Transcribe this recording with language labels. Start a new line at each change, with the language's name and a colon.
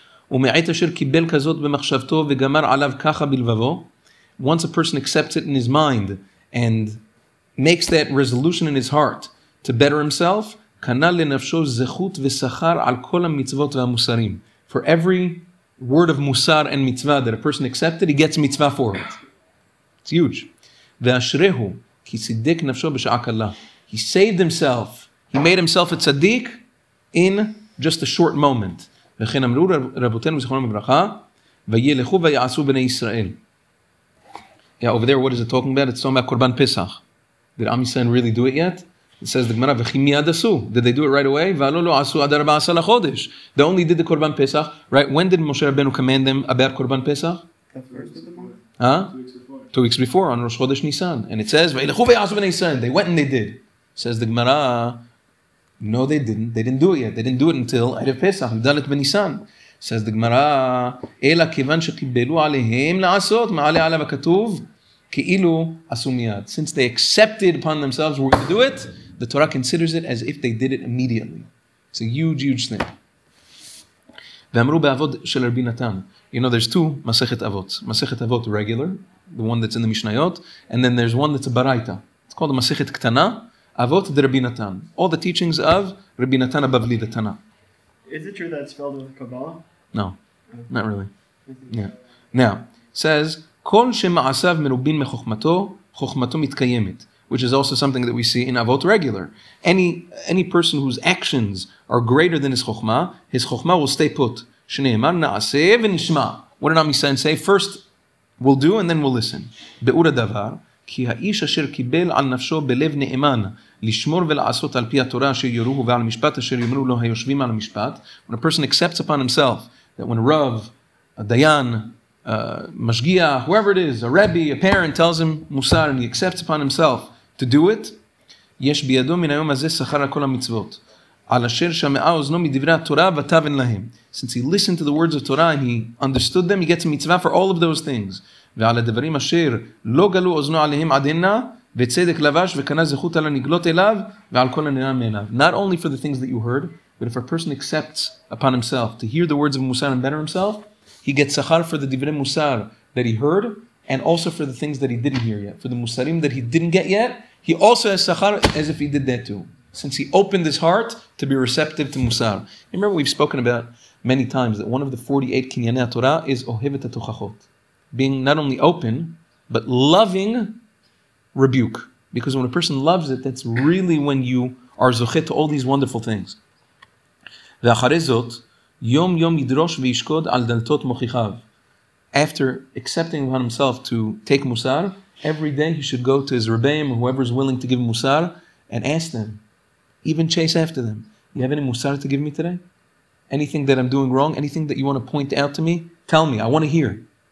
Hebrew: ומעט אשר קיבל כזאת במחשבתו וגמר עליו ככה בלבבו,
English: once a person accepts it in his mind and makes that resolution in his heart to better himself,
Hebrew: קנה לנפשו זכות ושכר על כל המצוות והמוסרים.
English: For every word of מוסר and מצווה that a person accepted, he gets מצווה for it. It's huge.
Hebrew: ואשריהו, כי סידק נפשו בשעה קלה.
English: He saved himself. He made himself a tzaddik in just a short moment.
Hebrew: וכן אמרו רבותינו זכרונם לברכה, וילכו ויעשו בני ישראל.
English: Yeah, over there, what is it talking about? It's talking about Korban Pesach. Did Am Yisrael really do it yet? It says the Gemara,
Hebrew: וכי מיד עשו.
English: Did they do it right away?
Hebrew: ועלו לא עשו עד 14 לחודש.
English: They only did the Korban Pesach, right? When did Moshe Rabbeinu command them about Korban Pesach? Huh? 2 weeks before, on Rosh Chodesh Nisan. And it says,
Hebrew: וילכו ויעשו בני ישראל.
English: They went and they did. Says the Gemara, no, they didn't. They didn't do it yet. They didn't do it until Erev Pesach, Dalet Benisan. Says the Gemara,
Hebrew: אלא כיוון שקיבלו עליהם לעשות, מעלה עליו הכתוב, כאילו עשו מיד.
English: Since they accepted upon themselves we're going to do it, the Torah considers it as if they did it immediately. It's a huge, huge thing.
Hebrew: ואמרו באבות של רבי נתן,
English: you know, there's two מסכת אבות. מסכת אבות regular, the one that's in the Mishnayot, and then there's one that's a Baraita. It's called a מסכת קטנה, אבות דה רבי נתן. All the teachings of רבי נתן הבבלי דה תנא. Is it true that it's spelled with Kabbalah? No, not really. Yeah.
Hebrew: Now, it says, כל שמעשיו מרובין מחוכמתו, חוכמתו מתקיימת.
English: Which is also something that we see in Avot regular. Any person whose actions are greater than his chokhmah will stay put.
Hebrew: שנאמר, נעשה ונשמע.
English: What did Am Yisrael say? First, we'll do and then we'll listen.
Hebrew: באור הדבר, כי האיש אשר קיבל על נפשו בלב נאמן, לשמור ולעשות על פי התורה אשר יורוהו ועל משפט אשר יאמרו לו היושבים על המשפט.
English: When a person accepts upon himself that when a rav, a dayan, a mashgiach, whoever it is, a rabbi, a parent tells him musar and he accepts upon himself to do it,
Hebrew: יש בידו מן היום הזה שכר על כל המצוות, על אשר שמעה אוזנו מדברי התורה ותבן להם.
English: Since he listened to the words of Torah and he understood them, he gets a mitzvah for all of those things.
Hebrew: ועל הדברים אשר לא גלו אוזנו עליהם עדנה, וצדק לבש וקנה זכות על הנגלות אליו, ועל כל הנראה מאליו.
English: Not only for the things that you heard, but if a person accepts upon himself to hear the words of Musar and better himself, he gets שכר for the דברי Musar that he heard, and also for the things that he didn't hear yet. For the Musarim that he didn't get yet, he also has שכר as if he did that too. Since he opened his heart to be receptive to Musar. Remember we've spoken about many times that one of the 48 Kinyanei HaTorah is Ohevet HaTochachot. Being not only open, but loving rebuke. Because when a person loves it, that's really when you are zochet to all these wonderful things.
Hebrew: ואחרי זאת, יום יום ידרוש וישקוד על דלתות מוכיחיו.
English: After accepting upon himself to take Musar, every day he should go to his rebbeim, whoever is willing to give Musar, and ask them, even chase after them, you have any Musar to give me today? Anything that I'm doing wrong, anything that you want to point out to me, tell me, I want to hear.